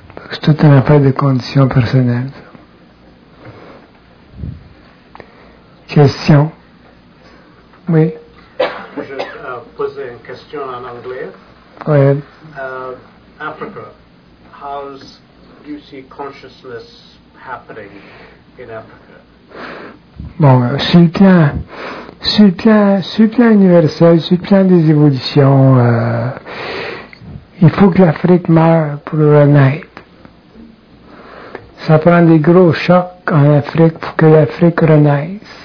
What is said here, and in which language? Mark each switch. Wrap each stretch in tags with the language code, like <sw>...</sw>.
<fr>C'est une affaire de conditions personnelles. Question? Oui? Je vais poser une question en anglais. Oui.</fr> <en>Africa, how do you see consciousness happening in Africa?</en> <fr>Bon, sur le plan universel, sur le plan des évolutions, il faut que l'Afrique meure pour renaître. Ça prend des gros chocs en Afrique pour que l'Afrique renaisse.</fr>